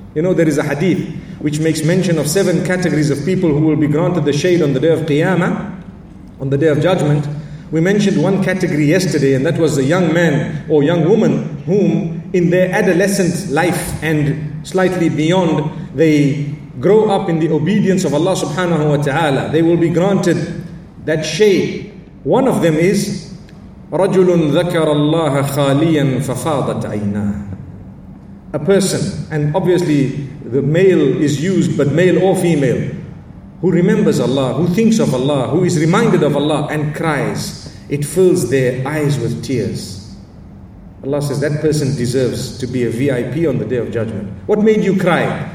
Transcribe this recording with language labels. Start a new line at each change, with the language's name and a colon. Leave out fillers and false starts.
English: You know, there is a hadith which makes mention of 7 categories of people who will be granted the shade on the Day of Qiyamah, on the Day of Judgment. We mentioned one category yesterday, and that was a young man or young woman whom in their adolescent life and slightly beyond, they grow up in the obedience of Allah subhanahu wa ta'ala. They will be granted that shade. One of them is
Arabic: رَجُلٌ ذَكَرَ اللَّهَ خَالِيًا فَفَاضَتْ عَيْنَاهُ.
English: A person, and obviously the male is used, but male or female, who remembers Allah, who thinks of Allah, who is reminded of Allah and cries, it fills their eyes with tears. Allah says that person deserves to be a VIP on the Day of Judgment. What made you cry?